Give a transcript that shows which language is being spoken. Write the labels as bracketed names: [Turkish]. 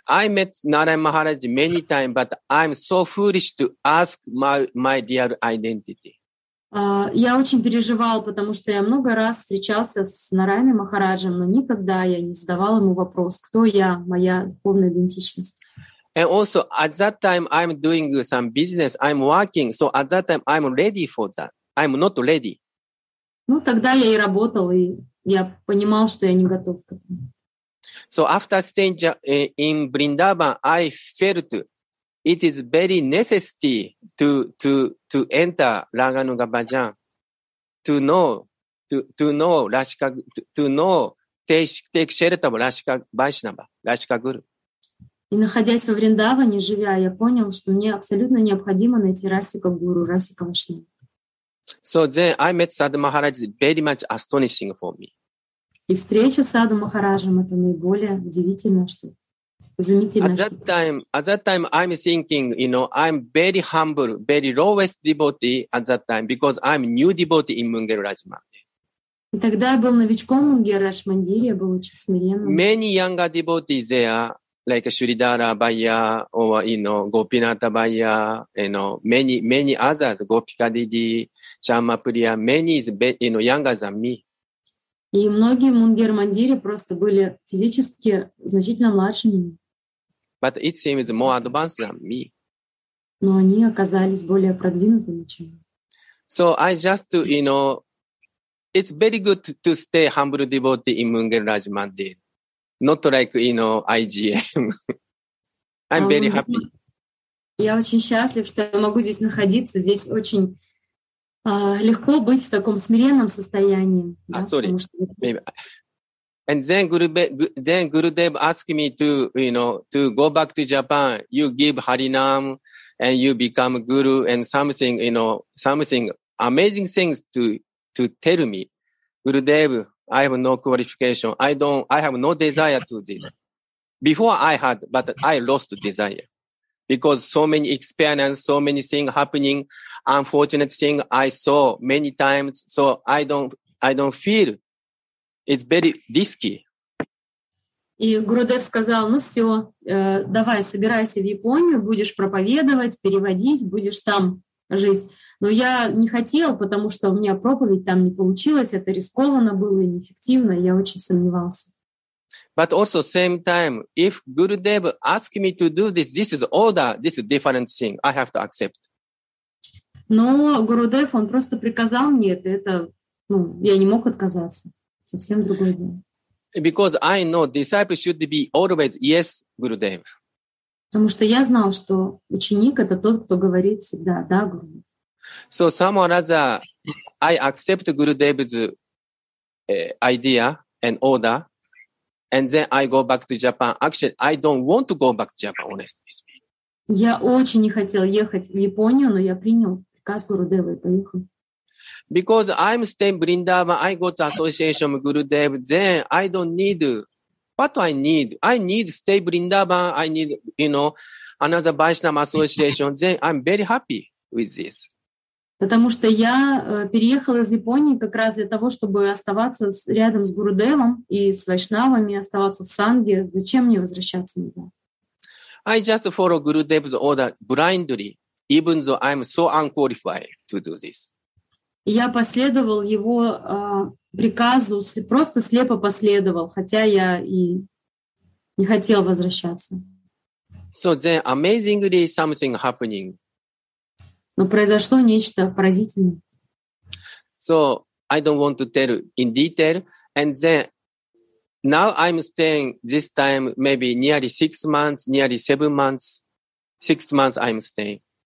[English] I met Narayan Maharaj many times, but I'm so foolish to ask my real identity. [Russian] Я очень переживал, потому что я много раз встречался с Нараяной Махараджем, но никогда я не задавал ему вопрос, кто я, моя духовная идентичность. [English] And also at that time I'm doing some business, I'm working, so at that time I'm ready for that. I'm not ready. [Russian] Ну, тогда я и работал, и я понимал, что я не готов к этому. [English] So after staying in Vrindavan, I felt it is very necessary to enter Raganuga Bhajan, take shelter of Rashika Vaishnava, Rashika Guru. [Russian] И находясь во Вриндаване, живя, я понял, что мне абсолютно необходимо найти Расика Гуру, Расика Вашнава. [English] So then I met Sadhu Maharaj very much astonishing for me. [Russian] И встреча с Садху Махараджем это наиболее удивительное, что изумительное. [English] At that time I'm thinking, you know, I'm very humble, very lowest devotee at that time because I'm new devotee in Munger Raj Mandir. [Russian] И тогда я был новичком Мунгер Радж Мандире, я был очень смиренным. [English] Many younger devotees there, like Shridhara Bhaiya, or you know, Gopinatha Bhaiya, you know, many others, Gopika Didi, Chama Priya, many is you know, younger than me. [Russian] И многие Мунгер Мандире просто были физически значительно младше меня. [English] But it seems more advanced than me. [Russian] Но они оказались более продвинутыми, чем я. [English] So I just, you know, it's very good to stay humble devotee in Мунгер Радж Мандир. Not like, you know, IGM. I'm very happy. [Russian] Я очень счастлив, что я могу здесь находиться. Здесь очень легко быть в таком смиренном состоянии. [English] And then Gurudev asked me to, you know, to go back to Japan. You give Harinam and you become guru and something, you know, something amazing things to tell me. Gurudev, I have no qualification. I have no desire to this. Before I had, but I lost desire. Because so many experiences, so many things happening, unfortunate things I saw many times. So I don't feel it's very risky. [Russian] И Гурудев сказал, ну все, давай, собирайся в Японию, будешь проповедовать, переводить, будешь там жить. Но я не хотел, потому что у меня проповедь там не получилась, это рискованно было и неэффективно, и я очень сомневался. [English] But also same time, if Gurudev asked me to do this, this is order, this is different thing, I have to accept. [Russian] Но Гурудев, он просто приказал мне это, ну, я не мог отказаться. Совсем другое дело. [English] Because I know disciple should be always yes, Gurudev. [Russian] Потому что я знал, что ученик — это тот, кто говорит всегда «да, Гуру». [English] So somehow or other, I accept Gurudev's idea and order, and then I go back to Japan. Actually, I don't want to go back to Japan, honestly speaking. [Russian] Я очень не хотел ехать в Японию, но я принял приказ Гурудева и поехал. [English] Because I'm staying in Vrindavan, I go to association with Gurudev, then I don't need... What do I need? I need stay Vrindavan. I need, you know, another Vaishnava association. Then I'm very happy with this. [Russian] Потому что я переехал из Японии как раз для того, чтобы оставаться рядом с Гурудевом и с Вайшнавами, оставаться в Санге. Зачем мне возвращаться назад? [English] I just follow Gurudev's order blindly, even though I'm so unqualified to do this. [Russian] Я последовал его приказу, просто слепо последовал, хотя я и не хотел возвращаться. [English] So then amazingly something happening. [Russian] Но произошло нечто поразительное. [English] So I don't want to tell in detail. And then now I'm staying this time maybe nearly 6 months, 6 months I'm staying.